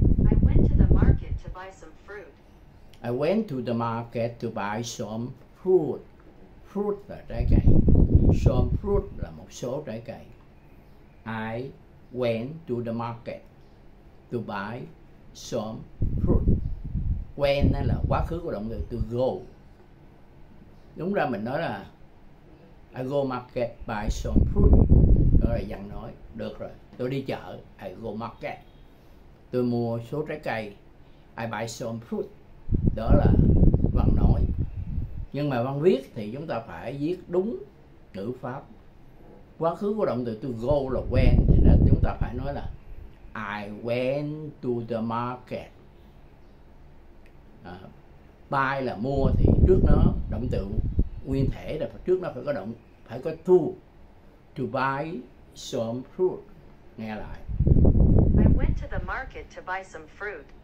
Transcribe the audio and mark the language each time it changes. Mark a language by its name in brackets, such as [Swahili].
[English] I went to the market to buy some fruit. I went to the market to buy some fruit. [Vietnamese] Fruit là trái cây. [English] Some fruit [Vietnamese] là một số trái cây. [English] I went to the market to buy some fruit. [Vietnamese] Went là quá khứ của động từ [English] to go. [Vietnamese] Đúng ra mình nói là [English] I go market buy some fruit. [Vietnamese] Đó là dạng nói. Được rồi. Tôi đi chợ. [English] I go market. [Vietnamese] Tôi mua số trái cây. [English] I buy some fruit. [Vietnamese] Đó là văn nói. Nhưng mà văn viết thì chúng ta phải viết đúng ngữ pháp. Quá khứ của động từ [English] to go [Vietnamese] là went. Thì đó chúng ta phải nói là [English] I went to the market. [Vietnamese] Buy là mua thì trước nó động từ nguyên thể là trước nó phải có động, phải có to. [English] To buy some fruit. [Vietnamese] Nghe lại. [English] Went to the market to buy some fruit.